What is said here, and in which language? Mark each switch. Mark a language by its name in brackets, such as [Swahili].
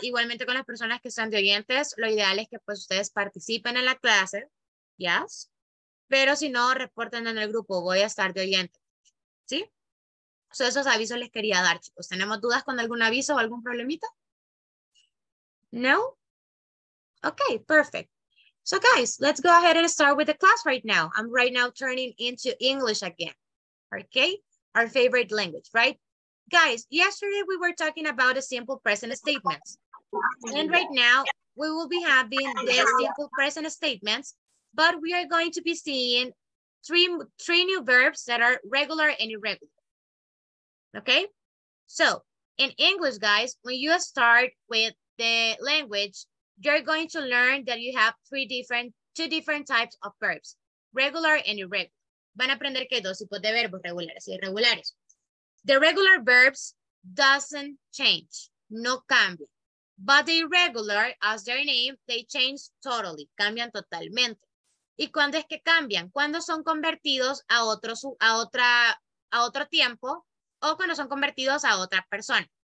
[Spanish] Igualmente con las personas que están de oyentes, lo ideal es que pues ustedes participen en la clase, ¿yes? Pero si no, reporten en el grupo, voy a estar de oyente, ¿sí? So, esos avisos les quería dar, chicos. ¿Tenemos dudas con algún aviso o algún problemita? [English] No? Okay, perfect. So guys, let's go ahead and start with the class right now. I'm right now turning into English again. Okay? Our favorite language, right? Guys, yesterday we were talking about a simple present statements. And right now, we will be having the simple present statements, but we are going to be seeing three new verbs that are regular and irregular. Okay, so in English, guys, when you start with the language, you're going to learn that you have two different types of verbs, regular and irregular. [Spanish] Van a aprender que hay dos tipos de verbos, regulares y irregulares. [English] The regular verbs doesn't change, [Spanish] no cambia. [English] But the irregular, as their name, they change totally. [Spanish] Cambian totalmente. ¿Y cuándo es que cambian? Cuando son convertidos a otro, a otro tiempo o cuando son convertidos a otra persona.